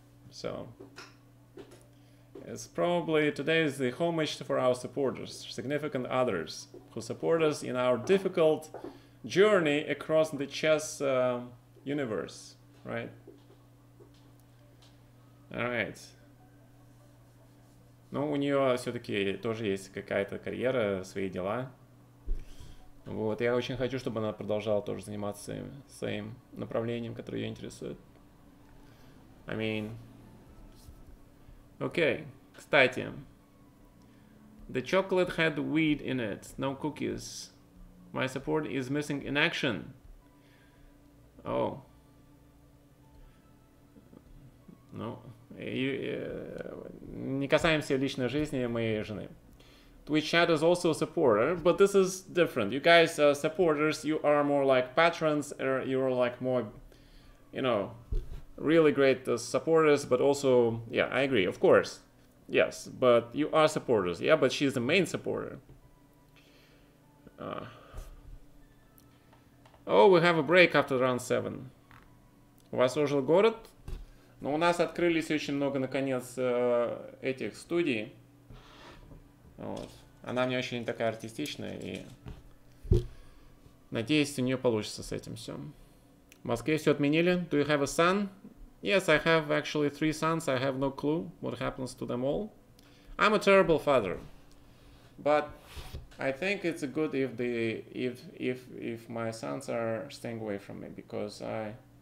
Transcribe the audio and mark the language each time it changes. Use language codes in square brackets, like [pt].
[en] So it's probably today is the homage for our supporters, significant others who support us in our difficult journey across the chess universe, right? All right. [ru] Ну, у нее все-таки тоже есть какая-то карьера, свои дела. Вот, я очень хочу, чтобы она продолжала тоже заниматься своим направлением, которое ее интересует. [en] I mean... Okay, [ru] кстати. [en] The chocolate had weed in it, no cookies. My support is missing in action. Oh. No. [ru] Не касаемся личной жизни моей жены. [en] Twitch chat is also a supporter, but this is different. You guys are supporters, you are more like patrons, or you're like more, you know, really great supporters, but also, yeah, I agree, of course. Yes, but you are supporters. Yeah, but she's the main supporter. Oh, we have a break after round 7. [ru] У вас уже город? Но у нас открылись очень много, наконец, этих студий. Вот. Она мне очень такая артистичная, и надеюсь, у нее получится с этим все. В Москве все отменили. [en] Do you have a son? Yes, I have actually 3 sons. I have no clue what happens to them all. I'm a terrible father. But I think it's good if the if my sons are staying away from me, because I...